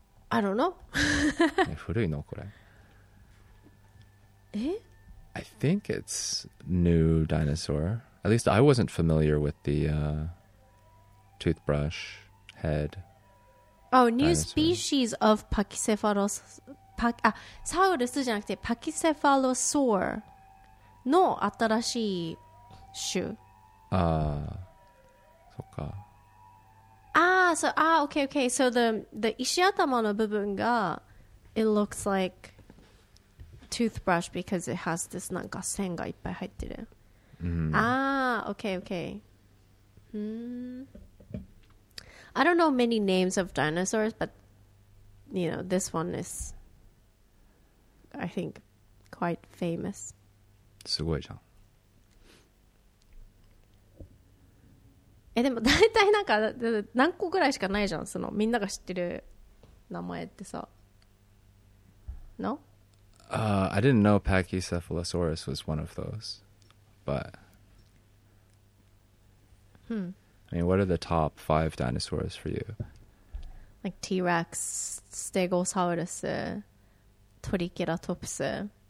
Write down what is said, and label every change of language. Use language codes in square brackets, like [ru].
[en] I don't know. [ja] 古いのこれ。え? [en] I think it's new dinosaur. At least I wasn't familiar with the toothbrush head. Oh, new dinosaur. Species of Pachycephalosaurus. [ja] サウルスじゃなくてパキセファロソーラの新しい種。ああ、そっか。ああ、そう、ああ、OK、OK。 [en] So the [ja] 石頭の部分が、 [en] it looks like toothbrush because it has this [ja] なんか線がいっぱい入ってる。ああ、OK、OK。 [en] I don't know many names of dinosaurs, but you know, this one is... I think quite famous. [ja] すごいじゃん。え、でも大体なんか何個ぐらいしかないじゃん、そのみんなが知ってる名前ってさ。 [en] No? I didn't know Pachycephalosaurus was one of those. But... Hmm. I mean, what are the top five dinosaurs for you? Like T-Rex, Stegosaurus... トリケラトプス。